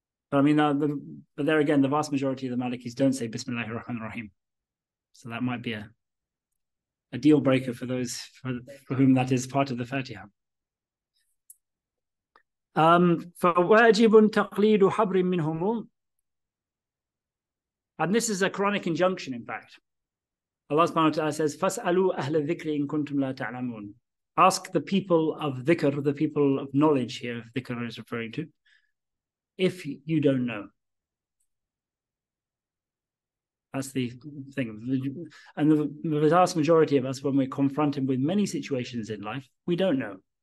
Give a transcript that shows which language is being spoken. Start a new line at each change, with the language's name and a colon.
English: But I mean, but there again, the vast majority of the Malikis don't say Bismillahir Rahmanir Rahim, so that might be a deal breaker for those for whom that is part of the Fatiha.
Arabic: فَوَاجِبٌ تَقْلِيدُ حَبْرٍ مِنْهُمُ.
English: And this is a Quranic injunction, in fact.
Arabic: Allah Subhanahu wa Taala says, فَاسْأَلُوا أَهْلَ الذِّكْرِ إِن كُنْتُمْ لَا تَعْلَمُونَ.
English: Ask the people of dhikr, the people of knowledge here, if dhikr is referring to, if you don't know. That's the thing. And the vast majority of us, when we're confronted with many situations in life, we don't know.